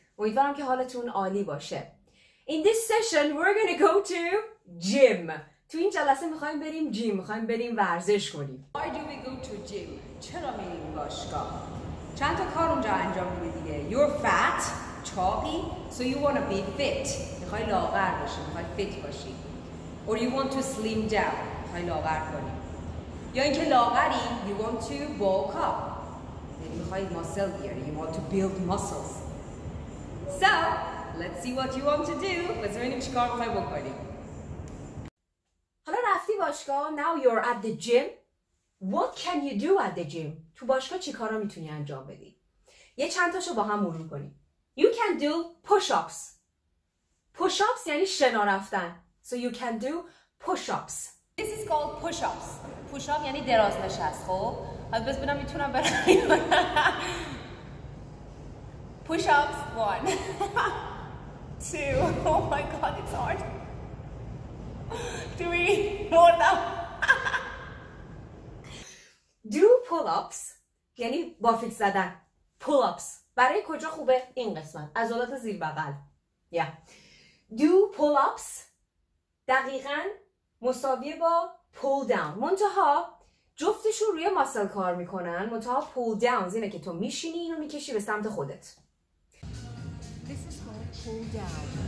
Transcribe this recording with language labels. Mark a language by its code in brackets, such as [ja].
[fa] امیدوارم که حالتون عالی باشه. [en] In this session we're going to go to gym. [fa] تو این جلسه می‌خوایم بریم جیم، می‌خوایم بریم ورزش کنیم. [en] Why do we go to gym? [fa] چرا میریم باشگاه؟ چند تا کار اونجا انجام میدی دیگه. [en] You're fat, chubby, so you want to be fit. [fa] می‌خوای لاغر بشی، می‌خوای فیت باشی. [en] Or you want to slim down. [fa] می‌خوای لاغر کنی. یا اینکه لاغری، [en] you want to bulk up. [fa] یعنی می‌خوای ماسل بیاری، [en] you want to build muscles. So, let's see what you want to do. Let's see what you want to do. [fa] حالا رفتی باشگاه، [en] now you're at the gym. What can you do at the gym? [fa] تو باشگاه چی کارا میتونی انجام بدی؟ یه چند تاشو با هم مرور کنیم. [en] You can do push-ups. [fa] Push-ups یعنی شنا رفتن. [en] So you can do push-ups. This is called push-ups. [fa] Push-up یعنی دراز نشست. خب حالا بزبینم میتونم برایم. [en] Push-ups, one. Two. Oh my god, it's hard. Three. More than... [fa] Do pull-ups یعنی بافیت زدن. Pull-ups برای کجا خوبه؟ این قسمت عضلات زیر بغل. [en] Yeah. [fa] Do pull-ups دقیقاً مساوی با pull down. منتها جفتشون روی ماسل کار میکنن. منتها pull down اینه که تو میشینی اینو میکشی به سمت خودت. [en] This is called pull down.